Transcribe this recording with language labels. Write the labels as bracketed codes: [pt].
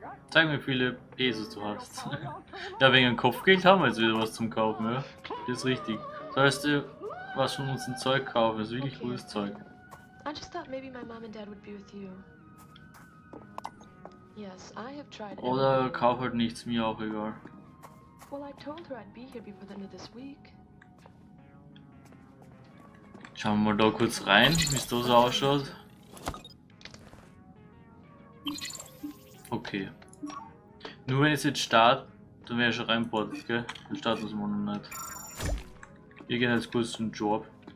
[de] Zeig mir, wie viele Pesos du hast. Da wegen dem Kopfgeld haben wir jetzt wieder was zum Kaufen, ja? Das ist richtig. Das heißt, was von uns ein Zeug kaufen, ist wirklich cooles Zeug. [en] I just thought maybe my mom and dad would be with you. Yes, I have tried. [de] Oder kauf halt nichts, mir auch egal. [en] Well, I told her I'd be here before the end of this week. [de] Schauen wir mal da kurz rein, wie es da so ausschaut. Okay. Nur wenn es jetzt startet, dann wäre ich schon reinportet, gell? Dann starten wir noch nicht. Wir gehen jetzt kurz zum Job.